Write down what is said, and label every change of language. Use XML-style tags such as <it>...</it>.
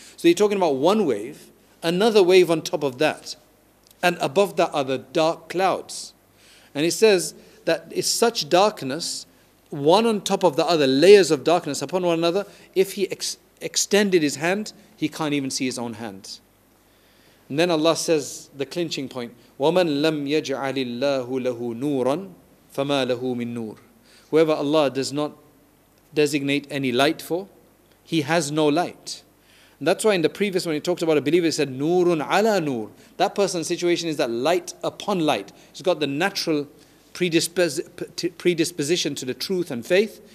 <en>So you're talking about one wave, another wave on top of that. And above that are the dark clouds. And it says that it's such darkness, one on top of the other, layers of darkness upon one another, if he extended his hand, he can't even see his own hand. And then Allah says the clinching point,</en> <ar>وَمَنْ لَمْ يَجْعَلِ اللَّهُ لَهُ نُورًا فَمَا لَهُ مِن نُورٍ.</ar> <en>Whoever Allah does not designate any light for, he has no light. And that's why in the previous one, he talked about a believer, he said,</en> <ar>Nurun ala nur.</ar> <en>That person's situation is that light upon light. He's got the natural predisposition to the truth and faith.</en>